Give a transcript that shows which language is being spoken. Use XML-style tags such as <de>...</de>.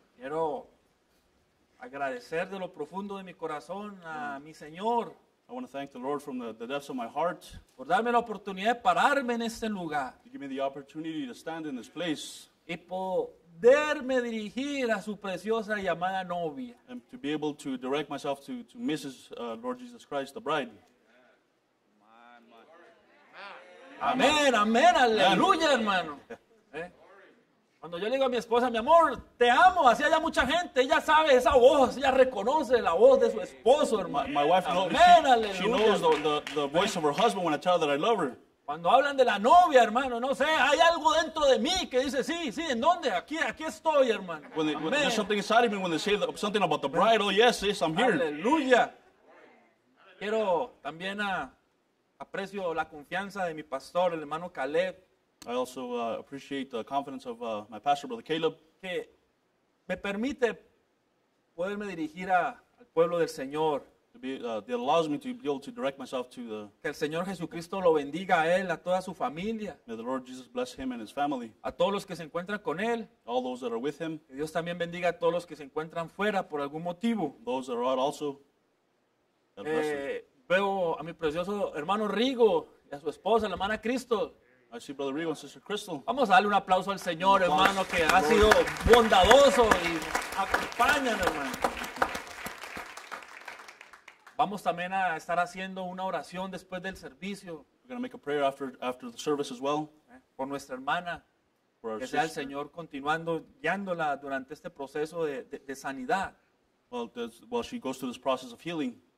<es>Quiero agradecer de lo profundo de mi corazón a mi Señor.</es> <en>I want to thank the Lord from the depths of my heart.</en> <es>Por darme la oportunidad de pararme en este lugar.</es> <en>To give me the opportunity to stand in this place.</en> <es>Y poderme dirigir a su preciosa y amada novia.</es> <en>And to be able to direct myself to Mrs. Lord Jesus Christ, the bride.</en> <es>Amén, amén, aleluya, hermano. Cuando yo le digo a mi esposa, mi amor, te amo, así haya mucha gente, ella sabe esa voz, ella reconoce la voz de su esposo, hermano.</es> <en>My wife knows,</en> <es>amén, aleluya.</es> <en>She knows the voice of her husband when I tell her that I love her.</en> <es>Cuando hablan de la novia, hermano, no sé, hay algo dentro de mí que dice, sí, sí, ¿en dónde? Aquí estoy, hermano.</es> <en>There's something inside of me when they say something about the bride. Oh, yes, yes, I'm here.</en> <es>Aleluya. Quiero también aprecio la confianza de mi pastor, el hermano Caleb.</es> <en>I also appreciate the confidence of my pastor, brother Caleb.</en> <es>Que me permite poderme dirigir al pueelo del Señor.</es> <en>That allows me to be able to direct myself to the...</en> <es>Que el Señor Jesucristo lo bendiga a él, a toda su familia.</es> <en>May the Lord Jesus bless him and his family.</en> <es>A todos los que se encuentran con él.</es> <en>All those that are with him.</en> <es>Que Dios también bendiga a todos los que se encuentran fuera por algún motivo.</es> <en>Those that are out also.</en> <es>Veo a mi precioso hermano Rigo y a su esposa, la hermana Cristo.</es> <en>I see brother Rigo and sister Crystal.</en> <es>Vamos a darle un aplauso al Señor, hermano, que ha sido bondadoso y acompañan, hermano. Vamos también a estar haciendo una oración después del servicio.</es> <en>We're going to make a prayer after the service as well.</en> <es>Por nuestra hermana.</es> <en>For our</en> <es>que</es> <en>sister.</en> <es>Sea el Señor continuando, guiándola durante este proceso de sanidad.</es> <en>While she goes through this process of healing.</en>